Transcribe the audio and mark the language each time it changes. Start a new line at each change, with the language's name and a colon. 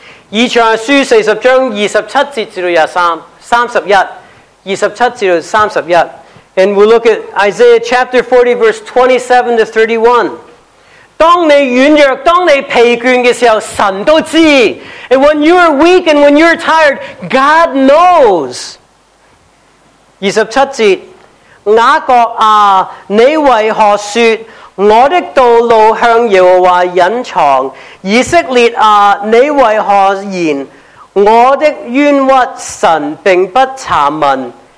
Cantonese: 以赛亚书四十章二十七节至廿三，三十一，二十七至到三十一。
English: And we'll look at Isaiah chapter 40, verse 27 to 31.
Cantonese: 当你软弱，当你疲倦的时候，神都知。
English: And when you are weak and when you are tired, God knows.
Cantonese: 二十七节，雅各啊，你为何说我的道路向耶和华隐藏？以色列啊，你为何言我的冤屈神并不查问？